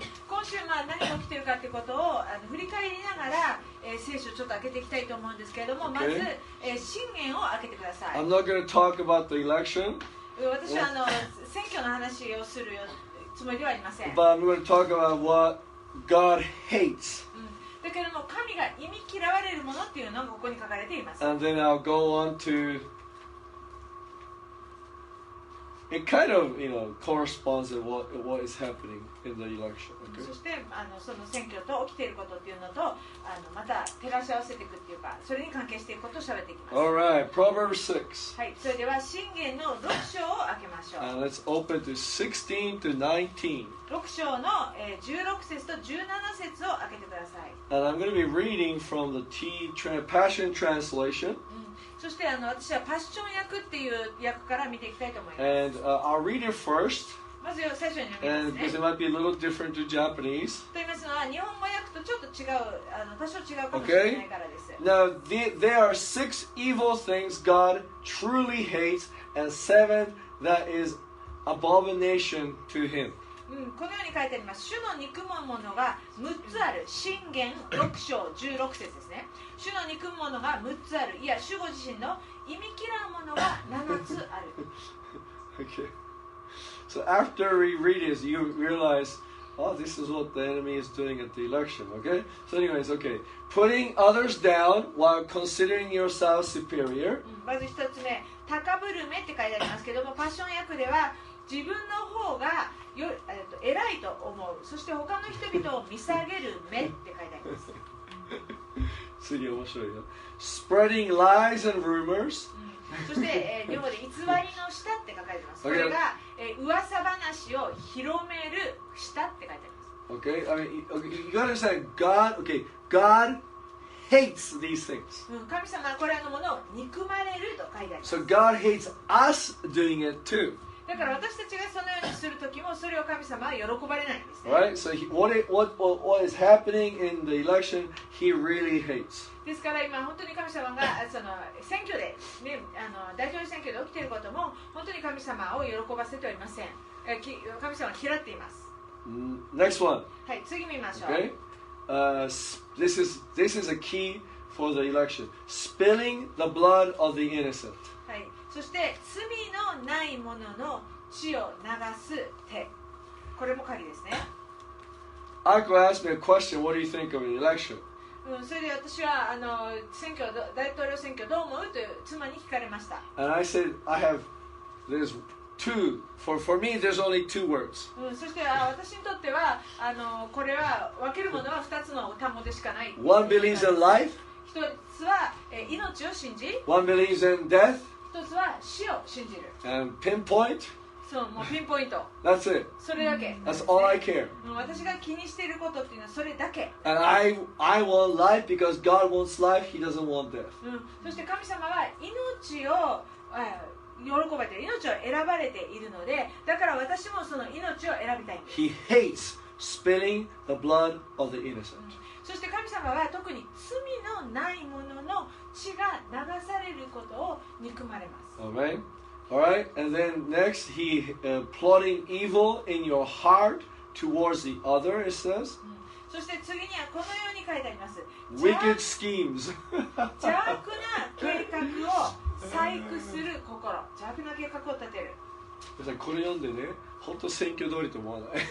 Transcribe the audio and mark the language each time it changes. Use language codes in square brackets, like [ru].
[ja] 今週、まあ、何が起きているかということを振り返りながら、聖書をちょっと開けていきたいと思うんですけれども、 [en] okay. [ja] まず、箴言を開けてください。 [en] I'm not going to talk about the election. [ja] 私は選挙の話をするつもりではありません。 [en] But I'm going to talk about whatGod hates. [ja] だけども神が忌み嫌われるものっていうのがここに書かれています。 [en] And then I'll go on to it kind of, you know, corresponds to what is happening in the election. Okay. [ja] そしてその選挙と起きていることっていうのとまた照らし合わせていくっていうかそれに関係していくことを喋っていきます。 [en] All right, Proverbs 6. [ja] はい、それでは箴言の6章を開けましょう。 [en] And let's open to 16 to 19. [ja] 6章の16節と17節を開けてください。 [en] And I'm going to be reading from the Passion Translation. [ja] そして私はパッション訳っていう訳から見ていきたいと思います。 [en] And I'll read it first. [ja] まず最初に読みますね。 [en] And because it might be a little different to Japanese. [ja] と言いますのは日本語訳とちょっと違う、多少違うかもしれないからです。 [en] Okay. Now, there are six evil things God truly hates, and seven that is abomination to him. [ja] このように書いてあります。主の憎むものが6つある。箴言6章16節ですね。主の憎むものが6つある。いや、主ご自身の忌み嫌うものが7つある。 [en] Okay. So after we read this, you realize, oh, this is what the enemy is doing at the election, okay? So anyways, okay. Putting others down while considering yourself superior. [ja] まず1つ目、高ぶる目って書いてありますけども、パッション訳では、自分の方がよ、偉いと思う。そして他の人々を見下げる目って書いてあります。次面白いよ。 [en] Spreading lies and rumors。 [ja] そして、日本語で偽りの舌って書かれてます。これが、噂話を広める舌って書いてあります。 [en] Okay, I mean, okay, you gotta say God. Okay, God hates these things. [ja] 神様はこれらのものを憎まれると書いてあります。 [en] So God hates us doing it too. [ja] だから私たちがそのようにするときもそれを神様は喜ばれないんです、 [en] ね、Right? So what is happening in the election, he really hates. [ja] ですから今本当に神様がその選挙で、ね、あの大統領選挙で起きていることも本当に神様を喜ばせておりません。神様は嫌っています。 [en] Next one. [ja] はい、次見ましょう。 [en] Okay? This is a key for the election. Spilling the blood of the innocent. [ja] そして罪のないものの血を流す手、これも鍵ですね。 [en] Aqua asked me a question. What do you think of the election? [ja] うん、それで私はあの選挙、大統領選挙どう思うという妻に聞かれました。 [en] And I said, I have there's two for me. There's only two words. [ja] うん、そして私にとってはあのこれは分けるものは二つの単語でしかない。 [en] One believes in life. [ja] 一つは命を信じ。 [en] One believes in death. [ja] 一つは死を信じる。 [en] And pinpoint? [ja] そう、もうピンポイント。 [en] That's it. [ja] それだけ。 [en] That's all I care. [ja] 私が気にしていることっていうのはそれだけ。 [en] And I want life because God wants life. He doesn't want death. [ja] そして神様は命を、喜ばれて、命を選ばれているので、だから私もその命を選びたい。 [en] He hates spilling the blood of the innocent. [ja] そして神様は特に罪のないものの血が流されることを憎まれます。 [en] Amen. All right. And then next, he plotting evil in your heart towards the other. It says. [ja] そして次にはこのように書いてあります。 [en] Wicked schemes. [ja] 邪悪な計画を細工する心。邪悪な計画を立てる。皆さんこれ読んでね、本当選挙通りと思わない。